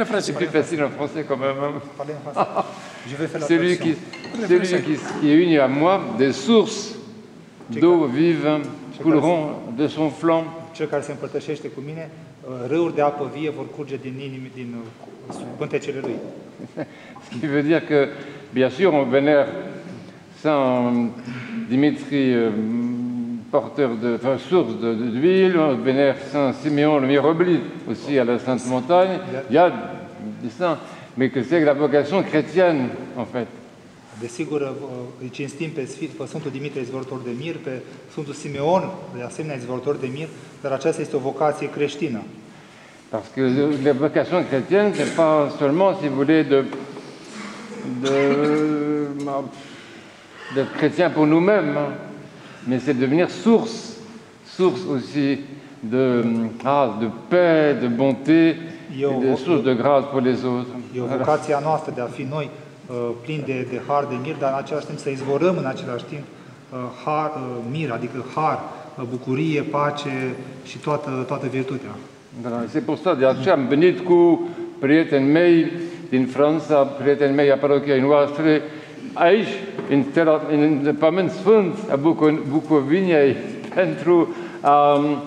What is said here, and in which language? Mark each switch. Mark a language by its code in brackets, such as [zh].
[fr] C'est plus facile en français quand même. Parlez en français. Je vais faire la celui qui est uni à moi, des sources d'eau vive couleront de son flanc. [ro] Cel care se împărtășește cu mine, râuri de apă vie vor curge din inimi, din pântecele lui. [fr] Ce qui veut dire que, bien sûr, on vénère Saint Dimitri, porteur de, enfin, source d'huile, on vénère Saint Siméon, le Myroblite, aussi à la Sainte Montagne. Il y a des saints, mais que c'est la vocation chrétienne, en fait. [ro] Desigur, îi cinstim pe Sfântul Dimitrie, izvorător de mir, pe Sfântul Simeon, de asemenea, izvorător de mir, dar aceasta este o vocație creștină. [fr] Parce que la vocation chrétienne, c'est pas seulement, si vous voulez, d'être chrétien pour nous-mêmes, mais c'est de devenir source, source aussi de paix, de bonté, de source de grâce pour les autres. [ro] E vocația noastră de a fi noi plin de har, de mir, dar în același timp să izvorăm în același timp har, mir, adică har, bucurie, pace și toată virtutea. Da, [fr] c'est pour ça, [ro] de aceea am venit cu prietenii mei din Franța, prietenii mei a parochiei noastre, aici, în Pământ Sfânt, a Bucoviniei, pentru a